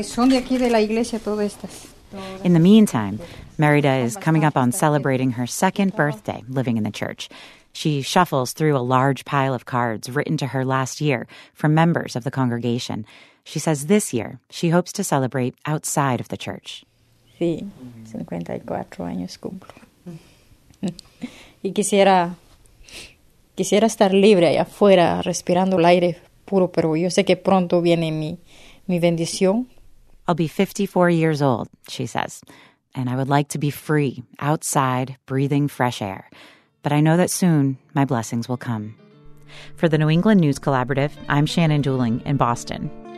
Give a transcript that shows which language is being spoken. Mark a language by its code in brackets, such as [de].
[en] In the meantime, Merida is coming up on celebrating her second birthday living in the church. She shuffles through a large pile of cards written to her last year from members of the congregation. She says this year she hopes to celebrate outside of the church. [es] Sí, 54 años cumplo. Y quisiera estar libre allá afuera, respirando el aire puro, pero yo sé que pronto viene mi bendición. [en] I'll be 54 years old, she says, and I would like to be free, outside, breathing fresh air. But I know that soon my blessings will come. For the New England News Collaborative, I'm Shannon Dooling in Boston.